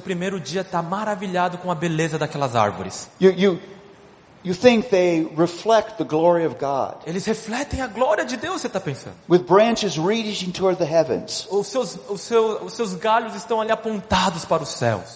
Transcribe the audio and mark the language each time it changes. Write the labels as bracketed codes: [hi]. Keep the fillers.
[pt] primeiro dia está maravilhado com a beleza daquelas árvores. [en] You, you, think they reflect the glory of God. [pt] Eles refletem a glória de Deus, você está pensando. [en] With branches reaching toward the heavens. [pt] Os seus os seus os seus galhos estão ali apontados para os céus.